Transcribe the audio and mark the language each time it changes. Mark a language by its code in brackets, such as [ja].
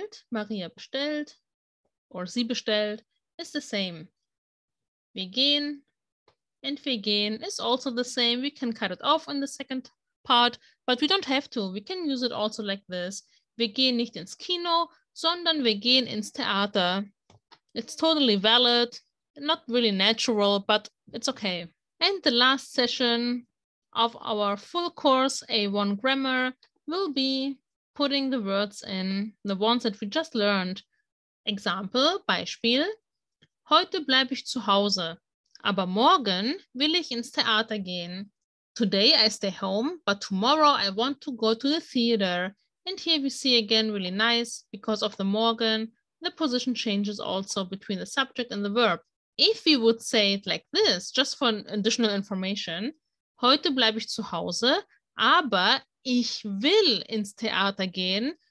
[de] Maria bestellt, [en] or [de] sie bestellt, [en] is the same. [de] Wir gehen [en] and [de] wir gehen [en] is also the same. We can cut it off in the second part, but we don't have to. We can use it also like this. [de] Wir gehen nicht ins Kino, sondern wir gehen ins Theater. [en] It's totally valid. Not really natural, but it's okay. And the last session of our full course, A1 Grammar, will be putting the words in, the ones that we just learned. Example, Beispiel. [de] Heute bleibe ich zu Hause, aber morgen will ich ins Theater gehen. [en] Today I stay home, but tomorrow I want to go to the theater. And here we see again really nice, because of the morgen, the position changes also between the subject and the verb. if we would say it like this, just for additional information, [de] heute bleibe ich zu Hause, aber ich will ins Theater gehen.